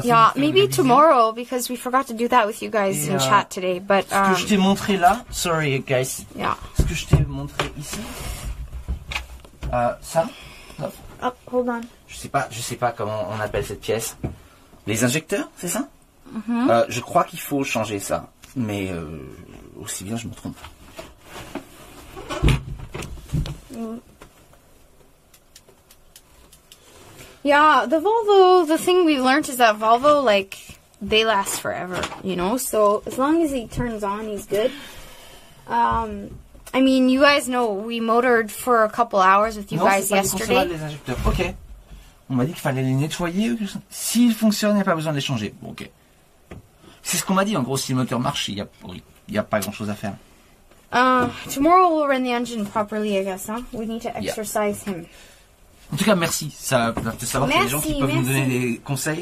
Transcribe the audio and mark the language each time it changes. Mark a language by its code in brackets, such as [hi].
[fr] essayer de faire [en] maybe tomorrow, because we forgot to do that with you guys in chat today. But, [fr] ce que je t'ai montré là, [en] sorry guys, yeah. [fr] Ce que je t'ai montré ici... ça [en] hop. Oh, hold on. [fr] Je sais pas comment on appelle cette pièce. Les injecteurs, c'est ça? Mm-hmm. Je crois qu'il faut changer ça. Mais aussi bien, je me trompe. [en] Yeah, the Volvo, the thing we learned is that Volvo, like, they last forever, you know? So, as long as he turns on, he's good. I mean, you guys know we motored for a couple hours with you guys yesterday. [fr] Non, c'est pas inconcevable, les injecteurs. Ok. On m'a dit qu'il fallait les nettoyer. S'ils fonctionnent, il n'y a pas besoin de les changer. Bon, ok. C'est ce qu'on m'a dit. En gros, si le moteur marche, il n'y a pas grand-chose à faire. [en] Tomorrow, we'll run the engine properly, I guess. Hein? We need to exercise him. [fr] En tout cas, merci. Ça peut savoir qu'il y a des gens qui peuvent nous donner des conseils.